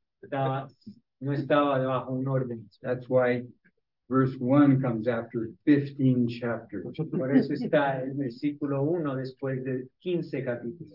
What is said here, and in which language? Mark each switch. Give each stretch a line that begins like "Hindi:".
Spanish: Estaba, no estaba bajo un orden.
English: That's why verse 1 comes after 15 chapters.
Spanish: Por eso está el versículo 1 después de 15 capítulos.